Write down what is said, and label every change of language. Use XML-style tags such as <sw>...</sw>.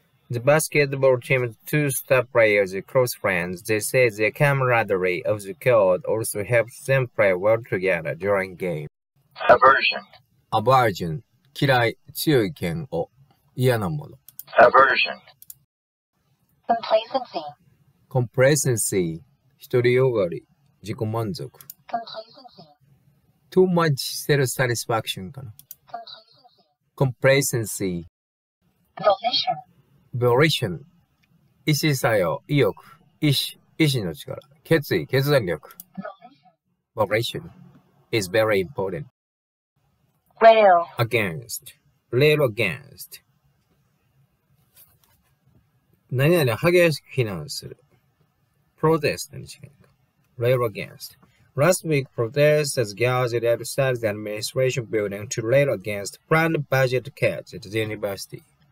<en>The basketball team's two star players are close friends. They say the camaraderie of the court also helps them play well together during game. Aversion. Aversion.</en> <ja>嫌い、強い嫌悪、嫌なもの。</ja> <en>Aversion. Complacency.</en> <ja>Complacency. 独りよがり。自己満足。</ja> <en>Complacency. Too much self-satisfaction かな。 Complacency. Complacency.</en> <ja>Volition. Volition. 意思作用、意欲、意志の力、決意、決断力。</ja> <en>Volition is very important. Rail. Against. Rail against.</en> <ja>何々激しく非難する。 Protest に違いか。</ja> <en>Rail against. Last week, protesters gathered outside the administration building to rail against planned budget cuts at the university.</en>